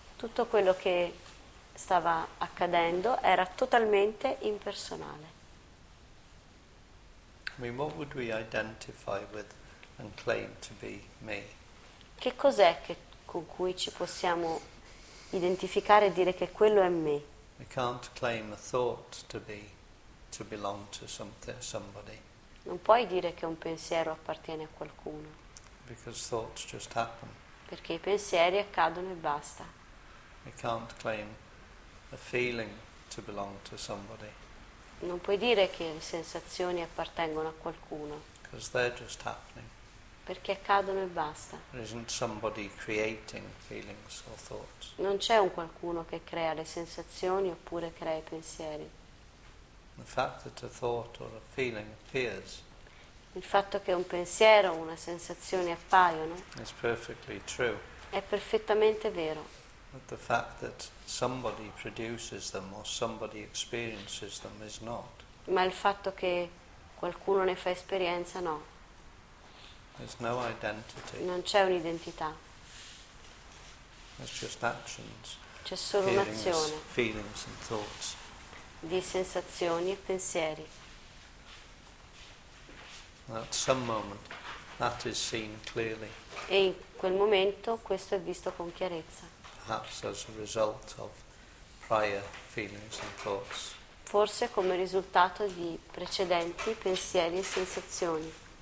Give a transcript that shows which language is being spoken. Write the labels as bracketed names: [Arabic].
[Italian] Tutto quello che stava accadendo era totalmente impersonale. [English] I mean, what would we identify with and claim to be me? [Italian] Che cos'è che con cui ci possiamo identificare e dire che quello è me? [English] We can't claim a thought to belong to somebody. [Italian] Non puoi dire che un pensiero appartiene a qualcuno. [English] Because thoughts just happen. [Italian] Perché i pensieri accadono e basta. [English] We can't claim a feeling to belong to somebody. [Italian] Non puoi dire che le sensazioni appartengono a qualcuno. [English] Because they're just happening. [Italian] Perché accadono e basta. [English] There isn't somebody creating feelings or thoughts. [Italian] Non c'è un qualcuno che crea le sensazioni oppure crea i pensieri. [English] The fact that a thought or a feeling appears. [Italian] Il fatto che un pensiero o una sensazione appaiono [English] is perfectly true. [Italian] È perfettamente vero. [English] the fact that somebody produces them or somebody experiences them is not. [Italian] Ma il fatto che qualcuno ne fa esperienza, no. [English] There's no identity. [Italian] Non c'è un'identità. [English] It's just actions. [Italian] C'è solo un'azione. [English] Feelings and thoughts. [Italian] Di sensazioni e pensieri. [English] At some moment, that is seen clearly. [Italian] E in quel momento questo è visto con chiarezza. [English] Perhaps as a result of prior feelings and thoughts. [Italian] Forse come risultato di precedenti pensieri e sensazioni.